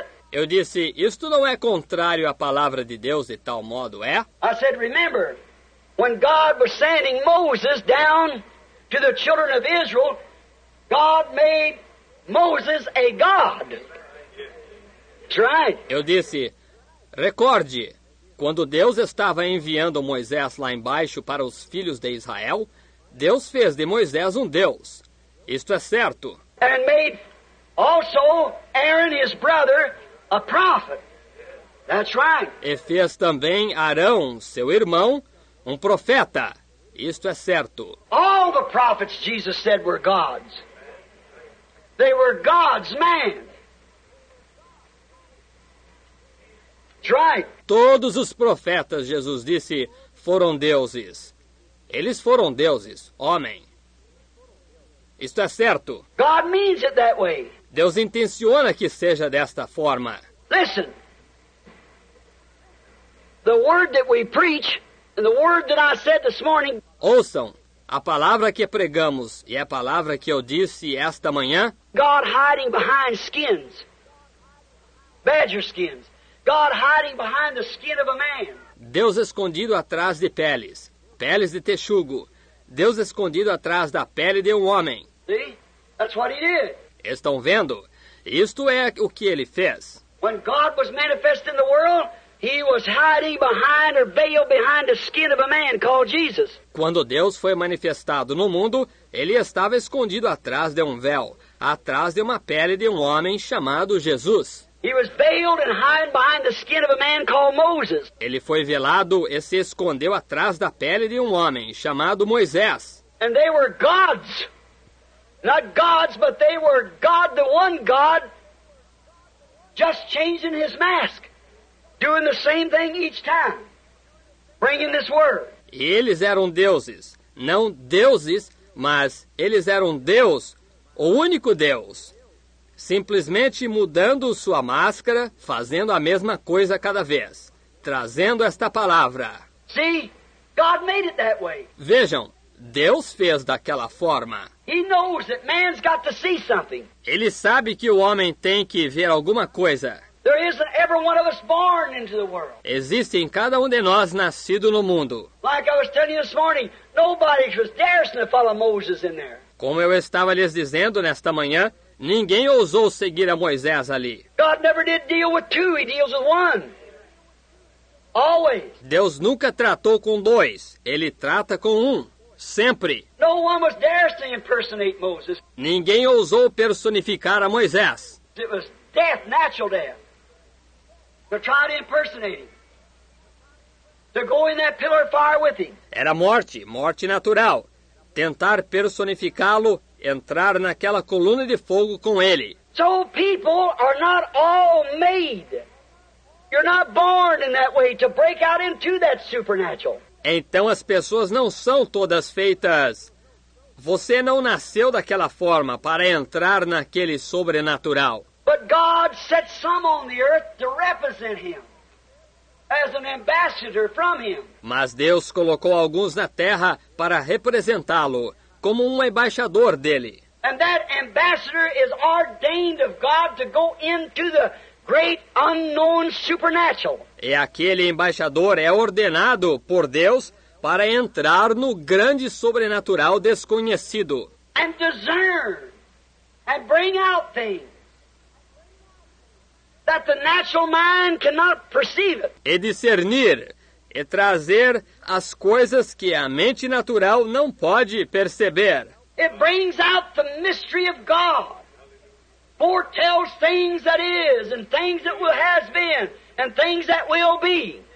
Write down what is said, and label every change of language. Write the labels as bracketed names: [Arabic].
[Portuguese] Eu disse, isto não é contrário à palavra de Deus de tal modo, é? [English] I said, remember, when God was sending Moses down to the children of Israel, God made Moses a god. That's right. [Portuguese] Eu disse, recorde, quando Deus estava enviando Moisés lá embaixo para os filhos de Israel, Deus fez de Moisés um deus. Isto é certo. [English] And made also Aaron his brother a prophet. That's right. [Portuguese] E fez também Arão, seu irmão, um profeta. Isto é certo. [English] All the prophets Jesus said were gods. They were God's man. Right. [Portuguese] Todos os profetas, Jesus disse, foram deuses. Eles foram deuses, homem. Isto é certo. [English] God means it that way. [Portuguese] Deus intenciona que seja desta forma. [English] Listen. The word that we preach and the word that I said this morning. [Portuguese] Ouçam, a palavra que pregamos e a palavra que eu disse esta manhã. [English] God hiding behind skins. Badger skins. God hiding behind the skin of a man. [Portuguese] Deus escondido atrás de peles, peles de texugo. Deus escondido atrás da pele de um homem. [English] See? That's what he did. [Portuguese] Estão vendo? Isto é o que ele fez. [English] When God was manifesting the world, he was hiding behind or veiled behind the skin of a man called Jesus. [Portuguese] Quando Deus foi manifestado no mundo, ele estava escondido atrás de um véu, atrás de uma pele de um homem chamado Jesus. [English] He was veiled and hiding behind the skin of a man called Moses. [Portuguese] Ele foi velado e se escondeu atrás da pele de um homem chamado Moisés. [English] And they were gods. Not gods, but they were God, the one God, just changing his mask, doing the same thing each time, bringing this word. [Portuguese] E eles eram deuses, não deuses, mas eles eram Deus, o único Deus. Simplesmente mudando sua máscara, fazendo a mesma coisa cada vez, trazendo esta palavra. [English] See, God made it that way. [Portuguese] Vejam, Deus fez daquela forma. [English] He knows that man's got to see something. [Portuguese] Ele sabe que o homem tem que ver alguma coisa. [English] There isn't ever one of us born into the world. [Portuguese] Existe em cada um de nós nascido no mundo. [English] Like I was telling you this morning, nobody was daring to follow Moses in there. [Portuguese] Como eu estava lhes dizendo nesta manhã, ninguém ousou seguir a Moisés ali. [English] God never did deal with two, he deals with one. Always. [Portuguese] Deus nunca tratou com dois, ele trata com um, sempre. [English] No one was dares to impersonate Moses. [Portuguese] Ninguém ousou personificar a Moisés. [English] It was death, natural death. To try to impersonate him. To go in that pillar of fire with him. [Portuguese] Era morte, morte natural. Tentar personificá-lo, entrar naquela coluna de fogo com ele. [English] So people are not all made. You're not born in that way to break out into that supernatural. [Portuguese] Então as pessoas não são todas feitas. Você não nasceu daquela forma para entrar naquele sobrenatural. [English] But God set some on the earth to represent him as an ambassador from him. [Portuguese] Mas Deus colocou alguns na terra para representá-lo como um embaixador dele. [English] And that ambassador is ordained of God to go into the great unknown supernatural. [Portuguese] E aquele embaixador é ordenado por Deus para entrar no grande sobrenatural desconhecido. [English] And discern and bring out things that the natural mind cannot perceive it. [Portuguese] E discernir e trazer as coisas que a mente natural não pode perceber. [English] It brings out the mystery of God. Foretells things that is, and things that has been, and things that will be.